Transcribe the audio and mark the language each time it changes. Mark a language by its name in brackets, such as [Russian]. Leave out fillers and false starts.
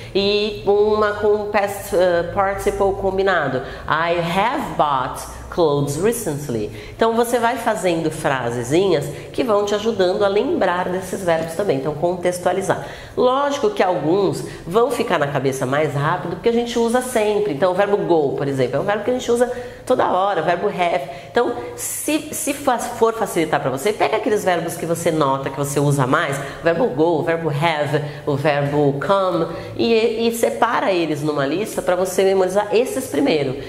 [Portuguese] E uma com past, participle combinado. [English] I have bought clothes recently. [Portuguese] Então você vai fazendo frasezinhas que vão te ajudando a lembrar desses verbos também, então contextualizar. Lógico que alguns vão ficar na cabeça mais rápido porque a gente usa sempre. Então o verbo go, por exemplo, é um verbo que a gente usa toda hora, o verbo have. Então, se for facilitar para você, pega aqueles verbos que você nota que você usa mais, o verbo go, o verbo have, o verbo come, e separa eles numa lista para você memorizar esses primeiro.